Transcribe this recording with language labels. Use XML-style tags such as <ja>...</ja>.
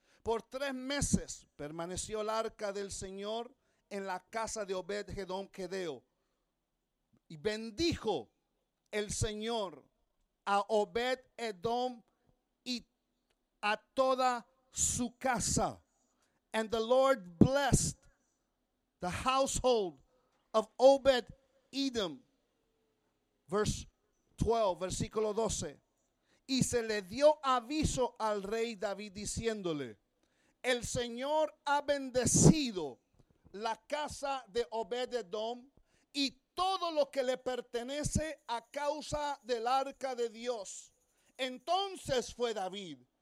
<es>Por 3 meses permaneció el arca del Señor en la casa de Obed-Edom Geteo. Y bendijo el Señor a Obed-Edom y a toda su casa.</es> <en>And the Lord blessed the household of Obed-Edom. Verse 12,</en> <es>versículo 12. Y se le dio aviso al rey David diciéndole: el Señor ha bendecido la casa de Obed-Edom y todo lo que le pertenece a causa del arca de Dios. Entonces fue David</es>